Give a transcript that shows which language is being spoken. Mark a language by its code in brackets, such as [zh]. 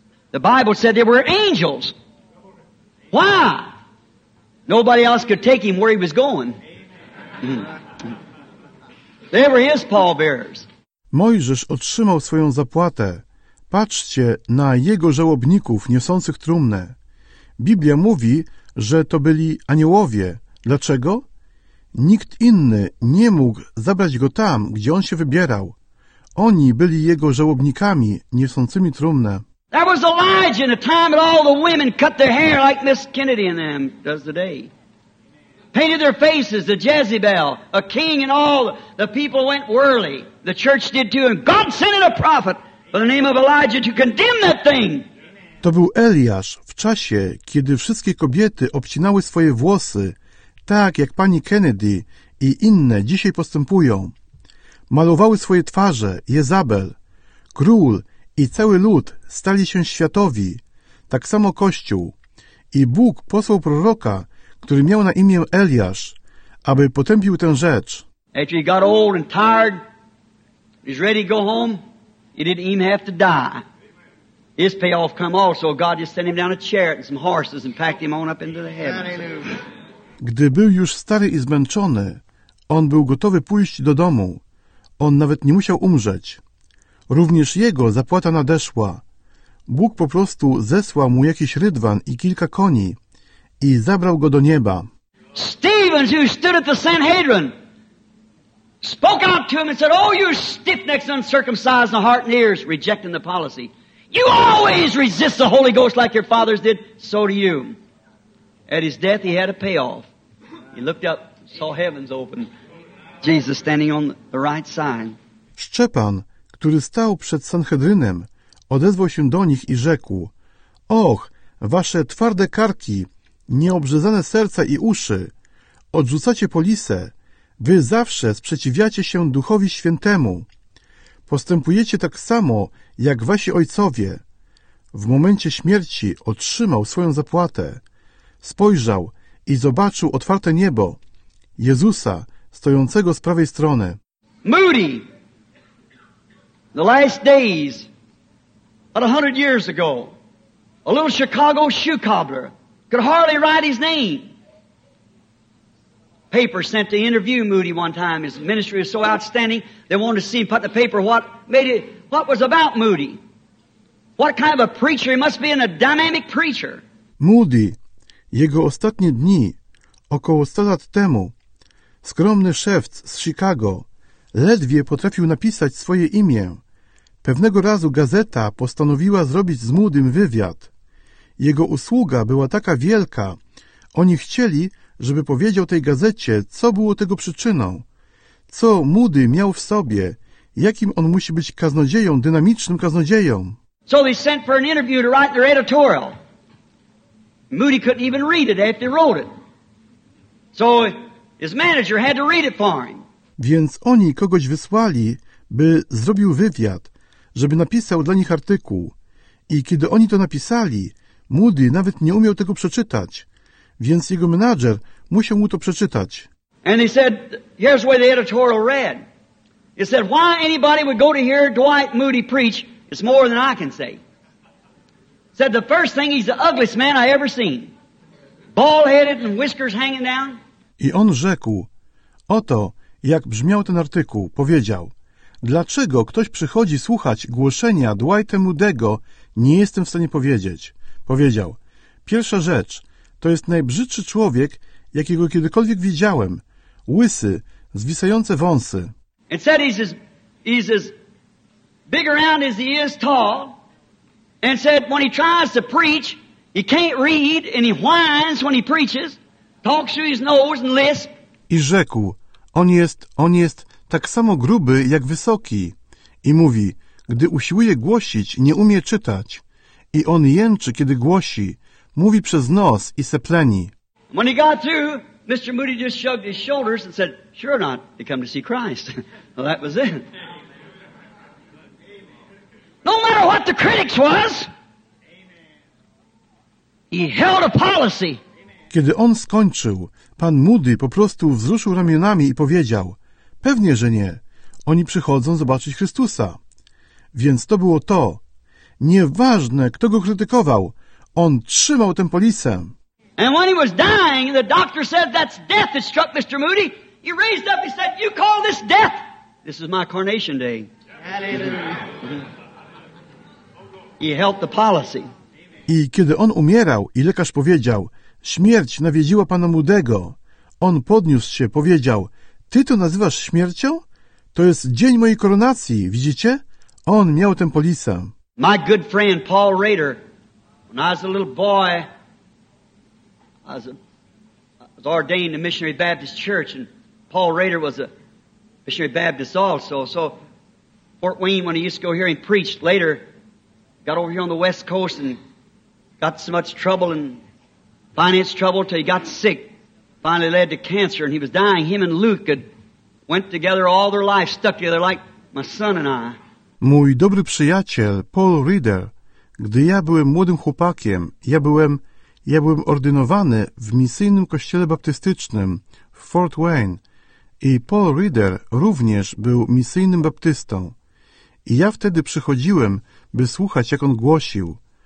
[en] The Bible said they were angels. Why? Nobody else could take him where he was going. They were his pallbearers. [pl] Mojżesz otrzymał swoją zapłatę. Patrzcie na jego żałobników niosących trumnę. Biblia mówi, że to byli aniołowie. Dlaczego? Nikt inny nie mógł zabrać go tam, gdzie on się wybierał. Oni byli jego żałobnikami niosącymi trumnę. [en] There was Elijah in a time when all the women cut their hair like Miss Kennedy and them does today. Painted their faces, the Jezebel, a king and all. The people went whirly. The church did too. And God sent a prophet by the name of Elijah to condemn that thing. [pl] To był Eliasz w czasie, kiedy wszystkie kobiety obcinały swoje włosy, tak jak pani Kennedy i inne dzisiaj postępują. Malowały swoje twarze, Jezabel, król, i cały lud stali się światowi, tak samo Kościół. I Bóg posłał proroka, który miał na imię Eliasz, aby potępił tę rzecz. [en] After he got old and tired, he's ready to go home, he didn't even have to die. His payoff come also, God just sent him down a chariot and some horses and packed him on up into the heavens. [pl] Gdy był już stary i zmęczony, on był gotowy pójść do domu. On nawet nie musiał umrzeć. Również jego zapłata nadeszła. Bóg po prostu zesłał mu jakiś rydwan i kilka koni i zabrał go do nieba. [en] Stephen, who stood at the Sanhedrin, spoke out to him and said, "Oh, you stiff-necked, uncircumcised in heart and ears, rejecting the policy. You always resist the Holy Ghost like your fathers did, so do you." At his death, he had a payoff. He looked up, saw heavens open, Jesus standing on the right side. [pl] Szczepan, który stał przed Sanhedrynem, odezwał się do nich i rzekł: "Och, wasze twarde karki, nieobrzezane serca i uszy, odrzucacie polisę, wy zawsze sprzeciwiacie się Duchowi Świętemu. Postępujecie tak samo, jak wasi ojcowie." W momencie śmierci otrzymał swoją zapłatę. Spojrzał i zobaczył otwarte niebo, Jezusa, stojącego z prawej strony. [en] Moody! The last days, about 100 years ago, a little Chicago shoe cobbler could hardly write his name. Paper sent to interview Moody one time. His ministry was so outstanding, they wanted to see him put in the paper what was about Moody. What kind of a preacher? He must be a dynamic preacher. [pl] Moody, jego ostatnie dni, Około 100 lat temu skromny szewc z Chicago ledwie potrafił napisać swoje imię. Pewnego razu gazeta postanowiła zrobić z młodym wywiad. Jego usługa była taka wielka, oni chcieli, żeby powiedział tej gazecie, co było tego przyczyną, co Moody miał w sobie, jakim on musi być kaznodzieją, dynamicznym kaznodzieją. [en] So they sent for an interview to write their editorial. Moody couldn't even read it after he wrote it. So his manager had to read it for him. [pl] Więc oni kogoś wysłali, by zrobił wywiad, żeby napisał dla nich artykuł. I kiedy oni to napisali, Moody nawet nie umiał tego przeczytać. Więc jego menadżer musiał mu to przeczytać. [en] And he said, here's the way the editorial read. He said, why anybody would go to hear Dwight Moody preach is more than I can say. He said, the first thing, he's the ugliest man I ever seen. Bald-headed and whiskers hanging down. [pl] I on rzekł, oto jak brzmiał ten artykuł, powiedział, dlaczego ktoś przychodzi słuchać głoszenia Dwighta Moody'ego, nie jestem w stanie powiedzieć. Powiedział, pierwsza rzecz, to jest najbrzydszy człowiek, jakiego kiedykolwiek widziałem. Łysy, zwisające wąsy. [en] And said he's as big around as he is tall. And said when he tries to preach, he can't read and he whines when he preaches. Talks through his nose and lisp. [pl] I rzekł, on jest tak samo gruby jak wysoki. I mówi, gdy usiłuje głosić, nie umie czytać. I on jęczy, kiedy głosi, mówi przez nos i sepleni. [en] When he got through, Mr. Moody just shrugged his shoulders and said, sure not, they come to see Christ. Well, that was it. No matter what the critics was, he held a policy. [pl] Kiedy on skończył, pan Moody po prostu wzruszył ramionami i powiedział, pewnie, że nie, oni przychodzą zobaczyć Chrystusa. Więc to było to. Nieważne, kto go krytykował, on trzymał tę polisę. [en] And when he was dying, the doctor said, that's death that struck Mr. Moody. He raised up, he said, you call this death? This is my coronation day. Hallelujah. He helped the policy. [pl] I kiedy on umierał i lekarz powiedział, śmierć nawiedziła pana Moody'ego. On podniósł się, powiedział, ty to nazywasz śmiercią? To jest dzień mojej koronacji, widzicie? On miał tę polisę. [en] My good friend Paul Rader, when I was a little boy, I was ordained to Missionary Baptist Church, and Paul Rader was a Missionary Baptist also. So Fort Wayne, when he used to go here and preach, later got over here on the West Coast and got so much trouble and finance trouble till he got sick. Finally led to cancer, and he was dying. Him and Luke had went together all their life, stuck together like my son and I. [pl] Mój dobry przyjaciel, Paul Rader, gdy ja byłem młodym chłopakiem, ja byłem ordynowany w misyjnym kościele baptystycznym w Fort Wayne i Paul Rader również był misyjnym baptystą. I ja wtedy przychodziłem, by słuchać, jak on głosił.